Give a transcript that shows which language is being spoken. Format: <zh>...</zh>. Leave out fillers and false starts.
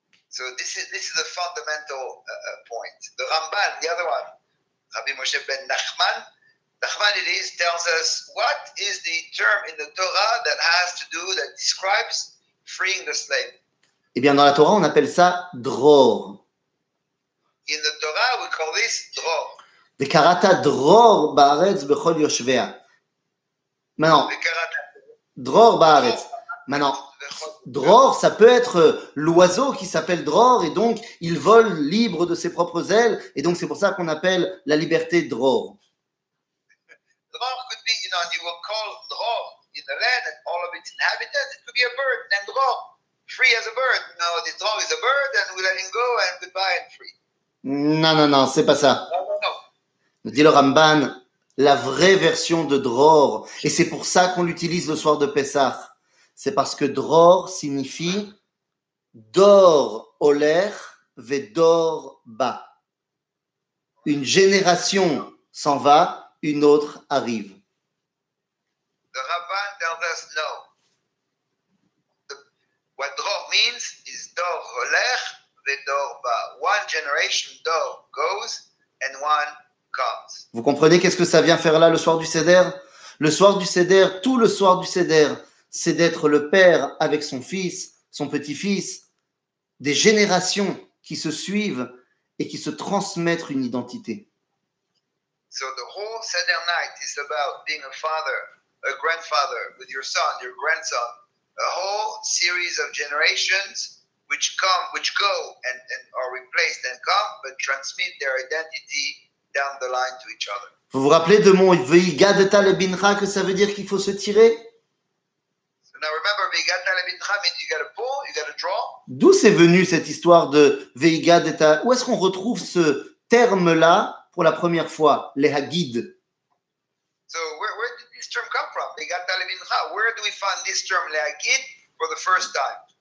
<en>So this is a fundamental point. The Ramban, the other one, Rabbi Moshe ben Nachman, it is, tells us, what is the term in the Torah that has to do, that describes freeing the slave?</en> <fr>Eh bien, dans la Torah, on appelle ça « dror ».</fr> <en>In the Torah, we call this « dror ».</en> <he>« Dekarata dror ba'aretz bechol yoshvea ».</he> <fr>Maintenant, «</fr> <he>dror ba'aretz ».</he> <fr>Maintenant, « dror », ça peut être l'oiseau qui s'appelle « dror » et donc il vole libre de ses propres ailes et donc c'est pour ça qu'on appelle la liberté « dror ».</fr> <en>Dror could be, you know, you will call « dror » in the land and all of its inhabitants, it could be a bird named « dror ». Free as a bird. No, the dog is a bird and we let him go and goodbye and free.</en> <fr>Non, c'est pas ça. Non. Dit le Ramban, la vraie version de dror, et c'est pour ça qu'on l'utilise le soir de Pessah, c'est parce que dror signifie</fr> <he>dor oler ve dor ba.</he> <fr>Une génération s'en va, une autre arrive.</fr> <en>The Ramban tells us no. What dror means is</en> <he>dor holech v'dor ba.</he> <en>One generation dor goes and one comes.</en> <fr>Vous comprenez qu'est-ce que ça vient faire là le soir du Seder? Le soir du Seder, tout le soir du Seder, c'est d'être le père avec son fils, son petit-fils, des générations qui se suivent et qui se transmettent une identité.</fr> <en>So the whole Seder night is about being a father, a grandfather with your son, your grandson. A whole series of generations which come, which go and are replaced and come, but transmit their identity down the line to each other.</en> <fr>Vous vous rappelez de mon Vigadta Lebincha, que ça veut dire qu'il faut se tirer?</fr> <en>So now remember, Vigadta Lebincha means you gotta pull, you gotta draw.</en> <fr>D'où c'est venu cette histoire de Vigadta? Où est-ce qu'on retrouve ce terme-là pour la première fois, les Hagid?</fr> <en>So where did this term come from? Vigadta Lebincha. Where do we find this term Le'agid for the first time?</en>